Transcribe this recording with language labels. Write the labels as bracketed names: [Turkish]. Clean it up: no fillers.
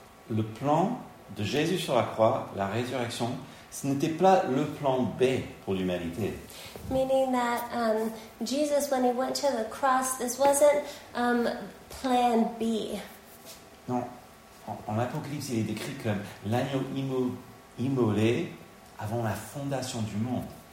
[French] le plan de Jésus sur la croix, la résurrection, ce n'était pas le plan B pour l'humanité. [English] Meaning that Jesus, when he went to the cross, this wasn't plan B. [French] Non, en Apocalypse, il est décrit comme l'agneau immolé avant la fondation du monde.